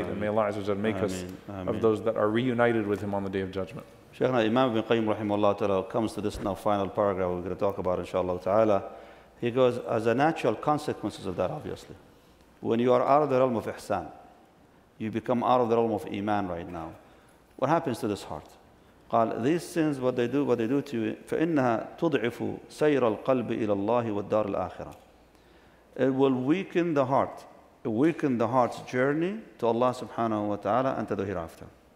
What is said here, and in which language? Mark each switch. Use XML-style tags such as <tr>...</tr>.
<en>Ameen. And may Allah Azza wa Jal make Ameen. Us Ameen. Of those that are reunited with Him on the Day of Judgment. Shaykhna Imam ibn Qayyim rahimahullah ta'ala comes to this now final paragraph we're going to talk about inshallah ta'ala. He goes, as a natural consequence of that, obviously, when you are out of the realm of ihsan, you become out of the realm of iman right now. What happens to this heart?</en> <ar>قال,</ar> <en>these sins, what they do to you,</en> <ar>فَإِنَّهَا تُضْعِفُ سَيْرَ الْقَلْبِ إِلَى اللَّهِ وَالدَّارِ الْآخِرَةِ.</ar> <en>It will weaken the heart. It weaken the heart's journey to Allah subhanahu wa ta'ala and to the hereafter.</en>